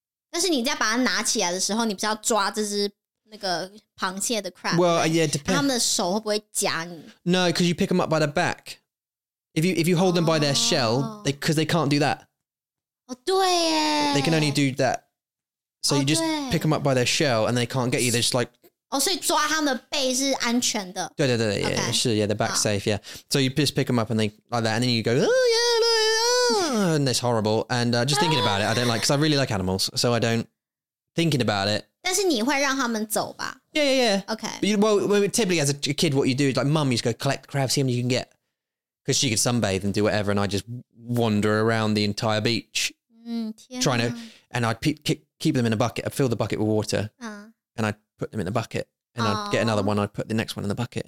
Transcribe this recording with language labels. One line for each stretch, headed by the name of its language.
Chinese: 但是你在把它拿起来的时候，你不是要抓这只？那个螃蟹的 crab
English: Well, yeah, depends
Chinese: 他们的手会不会夹你
English: No, because you pick them up by the back If you hold them by their shell Because they can't do that
Chinese: 哦、oh, 对耶
English: They can only do that So、oh, you just pick them up by their shell And they can't get you They're just like 哦、
Chinese: Oh, 所以抓他们的背是安全的。对对对对，
English: okay. 是 yeah, the back's safe, yeah. So you just pick them up and they, like that, and then you go, oh yeah, no, yeah, and it's horrible. And just thinking about it, I don't like, because I really like animals, so I don't, thinking about it.
Chinese: 但是你会让他们走吧?
English: Yeah, yeah, yeah. Okay. Well, typically as a kid, what you do is like, mum, you just go collect crabs, see them you can get, because she could sunbathe and do whatever, and I just wander around the entire beach, trying to, and I'd keep them in a bucket, I'd fill the bucket with water, and I'd put them in the bucket, and I'd get another one, I'd put the next one in the bucket.